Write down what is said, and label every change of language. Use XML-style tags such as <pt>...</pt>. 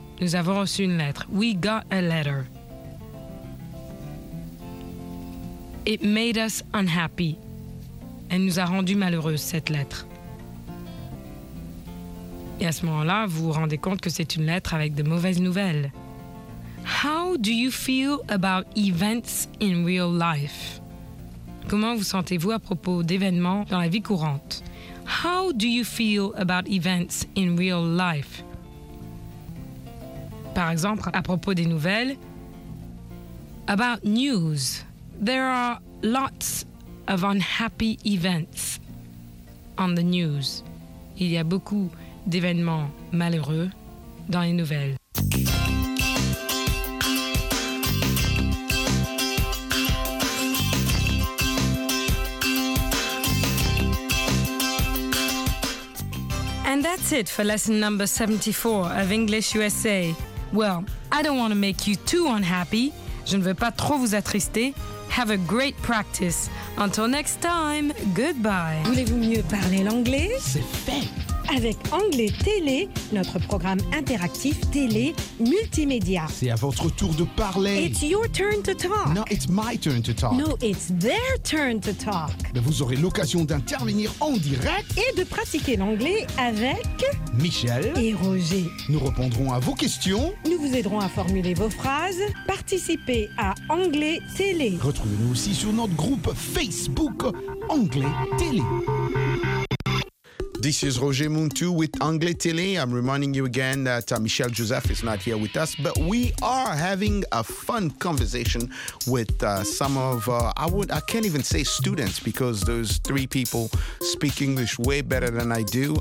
<fr>Nous avons reçu une lettre.</fr> <en>We got a letter. It made us unhappy.</en> <fr>Elle nous a rendu malheureuses, cette lettre. Et à ce moment-là, vous vous rendez compte que c'est une lettre avec de mauvaises nouvelles.</fr> <en>How do you feel about events in real life?</en> <fr>Comment vous sentez-vous à propos d'événements dans la vie courante?</fr> <en>How do you feel about events in real life?</en> <fr>Par exemple, à propos des nouvelles.</fr> <en>About news. There are lots of unhappy events on the news.</en> <fr>Il y a beaucoup d'événements malheureux dans les nouvelles.</fr> <en>And that's it for lesson number 74 of English USA. Well, I don't want to make you too unhappy.</en> <fr>Je ne veux pas trop vous attrister.</fr> <en>Have a great practice. Until next time, goodbye.</en> <fr>Voulez-vous mieux parler l'anglais? C'est fait! Avec Anglais Télé, notre programme interactif télé multimédia. C'est à votre tour de parler.</fr> <en>It's your turn to talk. No, it's my turn to talk. No, it's their turn to talk.</en> <fr>Mais vous aurez l'occasion d'intervenir en direct. Et de pratiquer l'anglais avec... Michel. Et Roger. Nous répondrons à vos questions. Nous vous aiderons à formuler vos phrases. Participez à Anglais Télé. Retrouvez-nous aussi sur notre groupe Facebook Anglais Télé.</fr> <en>This is Roger Muntu with Anglais Télé. I'm reminding you again that Michel Joseph is not here with us, but we are having a fun conversation with some of, I can't even say students, because those three people speak English way better than I do.</en>